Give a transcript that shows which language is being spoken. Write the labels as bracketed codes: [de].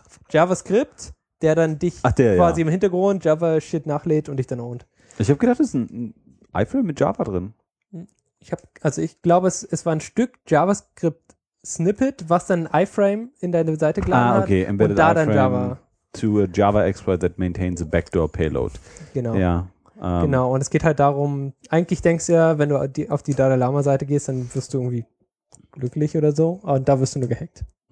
[de] JavaScript, der dann dich quasi im Hintergrund Java-Shit nachlädt und dich dann ownt. Ich habe gedacht, es ist ein iPhone mit Java drin. Ich glaube, es war ein Stück JavaScript-Snippet, was dann ein iframe in deine Seite geladen hat. Ah, okay. Embedded und da dann Java. [en] To a Java exploit that maintains a backdoor payload. [de] Genau. Ja. Genau, und es geht halt darum, eigentlich denkst du ja, wenn du auf die Dalai Lama-Seite gehst, dann wirst du irgendwie glücklich oder so. Und da wirst du nur gehackt.